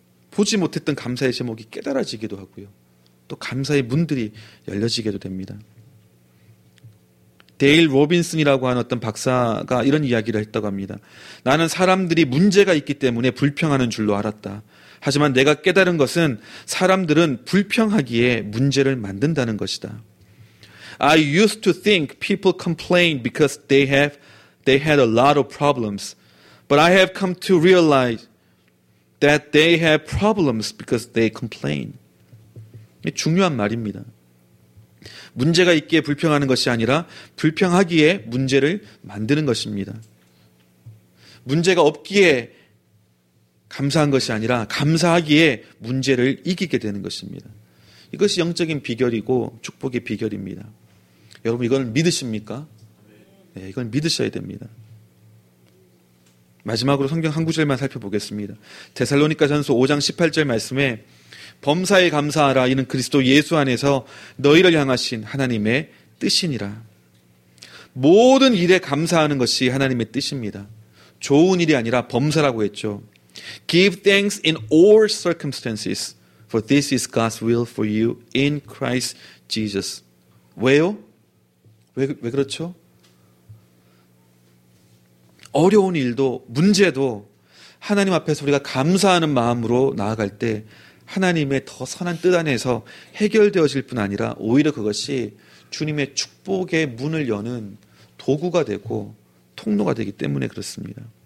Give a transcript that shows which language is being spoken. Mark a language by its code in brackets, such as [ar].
[ko] 보지 못했던 감사의 제목이 깨달아지기도 하고요. 또 감사의 문들이 열려지게도 됩니다. 데일 로빈슨이라고 하는 어떤 박사가 이런 이야기를 했다고 합니다. 나는 사람들이 문제가 있기 때문에 불평하는 줄로 알았다. 하지만 내가 깨달은 것은 사람들은 불평하기에 문제를 만든다는 것이다. [en] I used to think people complain because they had a lot of problems. But I have come to realize that they have problems because they complain. [ko] 중요한 말입니다. 문제가 있기에 불평하는 것이 아니라 불평하기에 문제를 만드는 것입니다. 문제가 없기에 감사한 것이 아니라 감사하기에 문제를 이기게 되는 것입니다. 이것이 영적인 비결이고 축복의 비결입니다. 여러분 이건 믿으십니까? 네, 이건 믿으셔야 됩니다. 마지막으로 성경 한 구절만 살펴보겠습니다. 데살로니가전서 5장 18절 말씀에 범사에 감사하라 이는 그리스도 예수 안에서 너희를 향하신 하나님의 뜻이니라. 모든 일에 감사하는 것이 하나님의 뜻입니다. 좋은 일이 아니라 범사라고 했죠. [en] Give thanks in all circumstances for this is God's will for you in Christ Jesus. [ko] 왜요? 왜 그렇죠? 어려운 일도 문제도 하나님 앞에서 우리가 감사하는 마음으로 나아갈 때 하나님의 더 선한 뜻 안에서 해결되어질 뿐 아니라 오히려 그것이 주님의 축복의 문을 여는 도구가 되고 통로가 되기 때문에 그렇습니다.